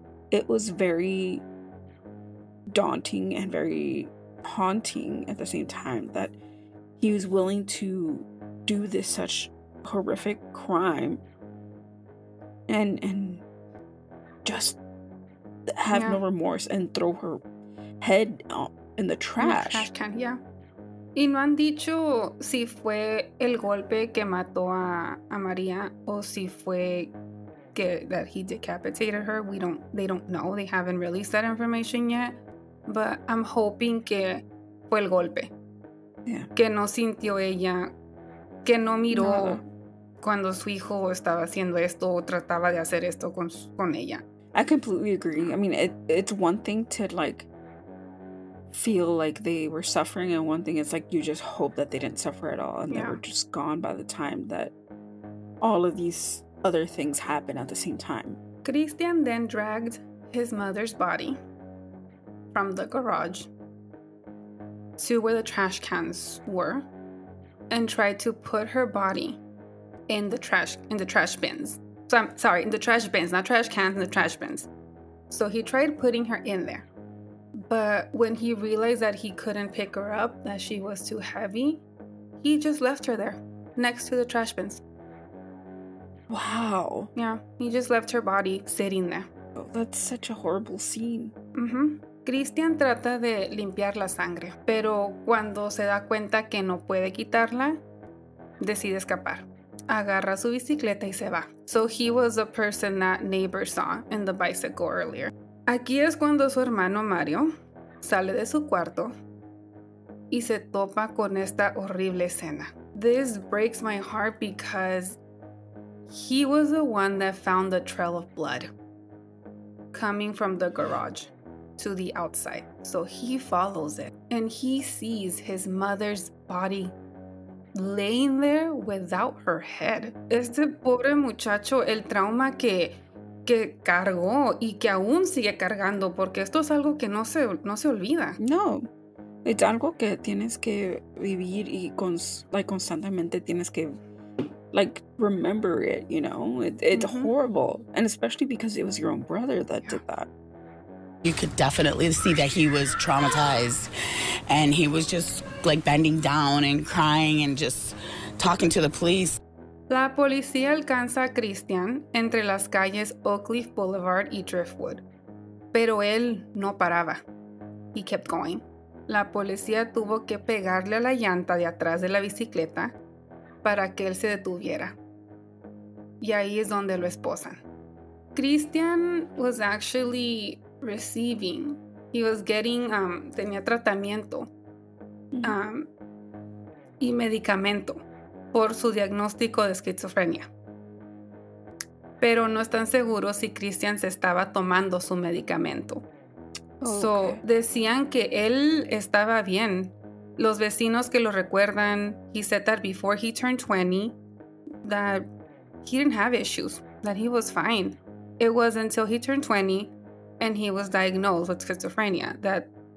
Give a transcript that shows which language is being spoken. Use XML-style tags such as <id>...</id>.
<en>It was very daunting and very haunting at the same time that he was willing to do this such horrific crime and just have no remorse and throw her head in the trash. In the trash can, yeah.</en> <es>Y no han dicho si fue el golpe que mató a María o si fue...</es> <en>that he decapitated her. They don't know. They haven't released that information yet. But I'm hoping</en> <es>que fue el golpe.</es> <en>Yeah.</en> <es>Que no sintió ella, que no miró nada cuando su hijo estaba haciendo esto o trataba de hacer esto con ella.</es> <en>I completely agree. I mean, it's one thing to feel like they were suffering, and one thing is you just hope that they didn't suffer at all and they were just gone by the time that all of these other things happen at the same time. Christian then dragged his mother's body from the garage to where the trash cans were and tried to put her body in the trash bins. So I'm sorry, in the trash bins, not trash cans, in the trash bins. So he tried putting her in there. But when he realized that he couldn't pick her up, that she was too heavy, he just left her there next to the trash bins. Wow. Yeah, he just left her body sitting there. Oh, that's such a horrible scene. Mm-hmm.</en> <es>Christian trata de limpiar la sangre, pero cuando se da cuenta que no puede quitarla, decide escapar. Agarra su bicicleta y se va.</es> <en>So he was the person that neighbor saw in the bicycle earlier.</en> <es>Aquí es cuando su hermano Mario sale de su cuarto y se topa con esta horrible escena.</es> <en>This breaks my heart because... he was the one that found the trail of blood coming from the garage to the outside. So he follows it and he sees his mother's body laying there without her head.</en> <es>Este pobre muchacho, el trauma que cargó y que aún sigue cargando, porque esto es algo que no se olvida. No, es algo que tienes que vivir y constantemente tienes que...</es> <en>remember it, you know? It's mm-hmm. horrible. And especially because it was your own brother that did that. You could definitely see that he was traumatized. And he was just, bending down and crying and just talking to the police.</en> <es>La policía alcanza a Christian entre las calles Oakleaf Boulevard y Driftwood. Pero él no paraba.</es> <en>He kept going.</en> <es>La policía tuvo que pegarle a la llanta de atrás de la bicicleta para que él se detuviera. Y ahí es donde lo esposan.</es> <en>Christian was actually receiving. He was getting,</en> <es>tenía tratamiento y medicamento por su diagnóstico de esquizofrenia. Pero no están seguros si Christian se estaba tomando su medicamento. So, decían que él estaba bien. Los vecinos que lo recuerdan,</es> <en>he said that before he turned 20, that he didn't have issues, that he was fine. It was until he turned 20 and he was diagnosed with schizophrenia that</en>